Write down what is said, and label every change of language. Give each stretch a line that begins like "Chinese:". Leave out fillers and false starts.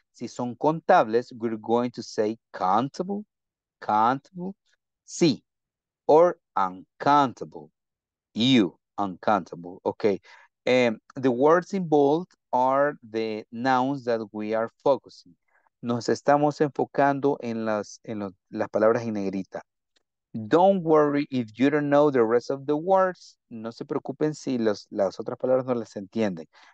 Spanish: Si son contables,
English: we're going to say countable. Countable. Si. Or uncountable. You. Uncountable. Okay. The words involved are the nouns that we are focusing.
Spanish: Nos estamos enfocando en las palabras en negrita.
English: Don't worry if you don't know the rest of the words.
Spanish: No se preocupen si las otras palabras no las entienden.